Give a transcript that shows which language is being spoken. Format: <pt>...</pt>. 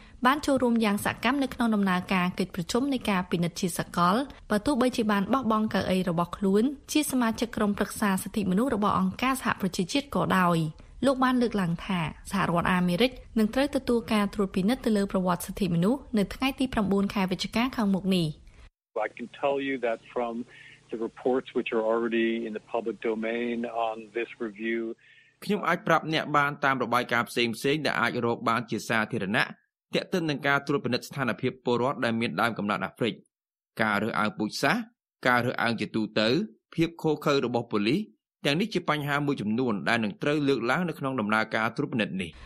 <km>បានចូលរួមយ៉ាងសកម្មនៅក្នុងដំណើរការកិច្ចប្រជុំនៃការពិនិត្យជាសកលបើទោះបីជាបានបោះបង់កៅអីរបស់ខ្លួនជាសមាជិកក្រុមប្រឹក្សាសិទ្ធិមនុស្សរបស់អង្គការសហប្រជាជាតិក៏ដោយលោកបានលើកឡើងថាសហរដ្ឋអាមេរិកនឹងត្រូវទទួលការត្រួតពិនិត្យទៅលើប្រវត្តិសិទ្ធិមនុស្សនៅថ្ងៃទី9ខែវិច្ឆិកាខាងមុខនេះ</km> <en>I can tell you that from the reports which are already in the public domain on this review</en> <km>ខ្ញុំអាចប្រាប់អ្នកបានតាមរបាយការណ៍ផ្សេងៗដែលអាចរកបានជាសាធារណៈតើទិននឹងការត្រួតពិនិត្យស្ថានភាពពលរដ្ឋដែលមានដើមកំណើតអាហ្វ្រិកការរើសអើងពូជសាសន៍ការរើសអើងជាទូទៅភាពខុសខើរបស់ប៉ូលីសទាំងនេះជាបញ្ហាមួយចំនួនដែលនឹងត្រូវលើកឡើងនៅក្នុងដំណើរការត្រួតពិនិត្យនេះ</km>